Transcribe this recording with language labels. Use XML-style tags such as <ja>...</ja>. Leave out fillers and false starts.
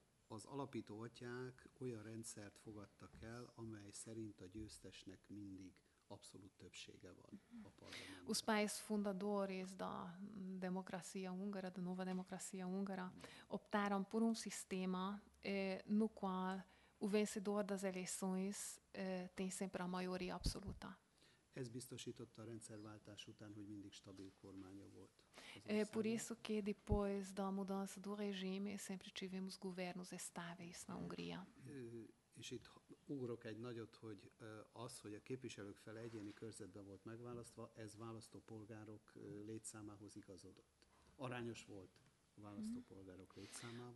<hu>Az alapító atyák olyan rendszert fogadtak el, amely szerint a győztesnek mindig abszolút többsége van a parlamentben.</hu> <pt>Os pais fundadores da democracia húngara, da nova democracia húngara, optaram por sistema no qual o vencedor das eleições tem sempre a maioria absoluta.</pt> <hu>Ez biztosította a rendszerváltás után, hogy mindig stabil kormánya volt.</hu> <pt>Por isso que depois da mudança do regime sempre tivemos governos estáveis na Hungria.</pt> <hu>És itt ugrok egy nagyot, hogy az, hogy a képviselők fele egyéni körzetben volt megválasztva, ez választópolgárok létszámához igazodott. Arányos volt a választópolgárok létszámával.</hu>